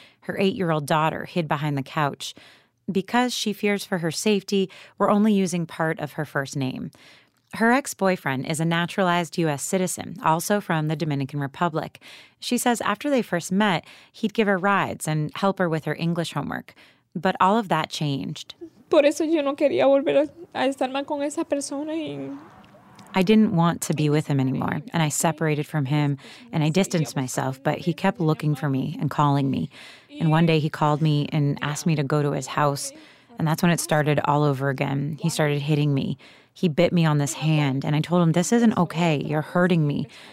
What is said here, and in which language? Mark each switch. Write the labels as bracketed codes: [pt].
[en] Her 8-year-old daughter hid behind the couch. Because she fears for her safety, we're only using part of her first name. Her ex-boyfriend is a naturalized U.S. citizen, also from the Dominican Republic. She says after they first met, he'd give her rides and help her with her English homework. But all of that changed. [es] Por eso yo no quería volver a estar mal con esa persona y... [en] I didn't want to be with him anymore, and I separated from him, and I distanced myself, but he kept looking for me and calling me. And one day he called me and asked me to go to his house, and that's when it started all over again. He started hitting me. He bit me on this hand, and I told him, this isn't okay, you're hurting me.